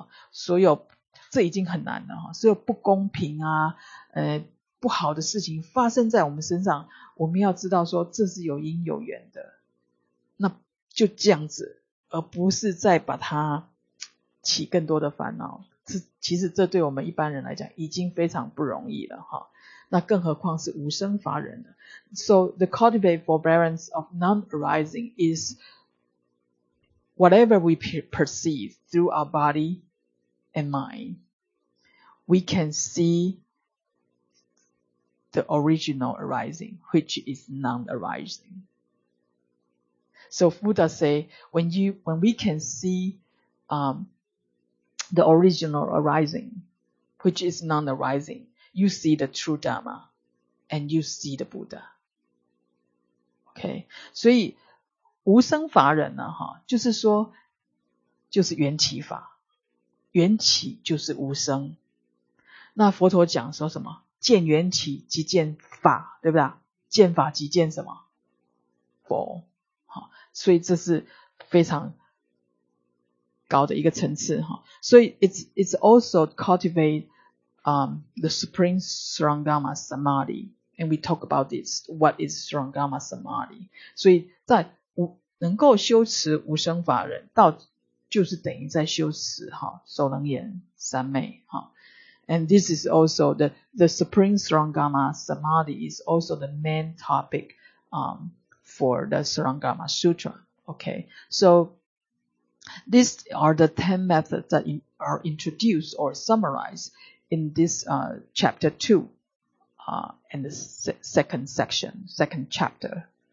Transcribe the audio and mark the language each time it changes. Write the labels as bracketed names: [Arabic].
[Chinese] 所有这已经很难了，所有不公平不好的事情发生在我们身上，我们要知道说这是有因有缘的，那就这样子，而不是再把它起更多的烦恼。其实这对我们一般人来讲已经非常不容易了，那更何况是无生法忍呢。 [English] So the cultivate forbearance of non-arising is whatever we perceive through our body and mind, we can see the original arising, which is non-arising. So Buddha say, when we can see the original arising, which is non-arising, you see the true Dharma, and you see the Buddha. [Chinese] Okay, 所以无生法忍呢，就是说，就是缘起法，缘起就是无声。那佛陀讲说什么？见缘起即见法，对不对？见法即见什么？佛。好，所以这是非常高的一个层次。所以 [English] it's also cultivate the supreme Sarangama Samadhi, and we talk about this, what is Sarangama Samadhi. [Chinese] 所以在能够修持无生法人，到就是等于在修持首楞严三昧。 [English] And this is also the supreme Sarangama Samadhi is also the main topic for the Sarangama Sutra. Okay, so these are the 10 methods that are introduced or summarized in this chapter 2 and the second section, second chapter.